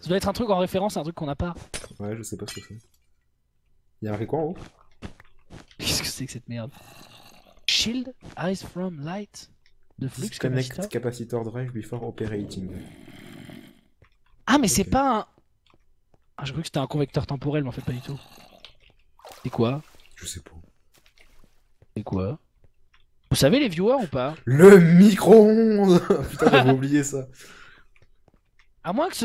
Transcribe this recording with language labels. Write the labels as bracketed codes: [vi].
[fr] Ça doit être un truc en référence à un truc qu'on a pas. Ouais, je sais pas ce que c'est. Il y a marqué quoi en haut? Qu'est-ce que c'est que cette merde? [en] Shield eyes from light. The flux Disconnect capacitor. Capacitor drive before operating. [fr] Ah, mais okay. C'est pas un. Ah, je croyais que c'était un convecteur temporel, mais en fait, pas du tout. C'est quoi? Je sais pas. C'est quoi? Vous savez, les viewers ou pas? Le micro-ondes! Putain, j'avais oublié ça. À moins que ce